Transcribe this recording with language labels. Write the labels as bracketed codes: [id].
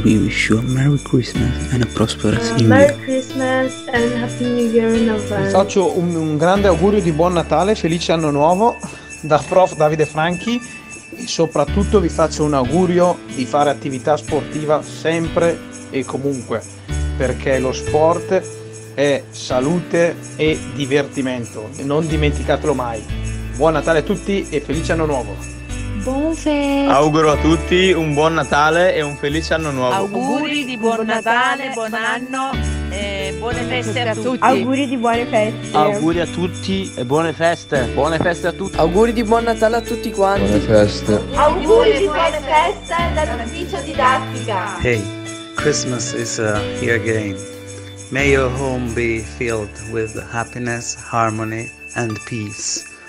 [en] We wish you a Merry Christmas and a prosperous New Year. Merry Christmas and Happy New Year in advance. [it] Faccio un grande augurio di buon Natale, felice anno nuovo da Prof. Davide Franchi. E soprattutto vi faccio un augurio di fare attività sportiva sempre e comunque, perché lo sport è salute e divertimento. Non dimenticatelo mai. Buon Natale a tutti e felice anno nuovo. buon fest. Auguro a tutti un buon Natale e un felice anno nuovo. Auguri di buon Natale, buon anno e buone feste a tutti. Auguri di buone feste. Auguri a tutti e buone feste. Buone feste a tutti. Auguri di buon Natale a tutti quanti. Buone feste. Auguri di buone feste dall'ufficio didattica. [en] Hey, Christmas is here again. May your home be filled with happiness, harmony and peace.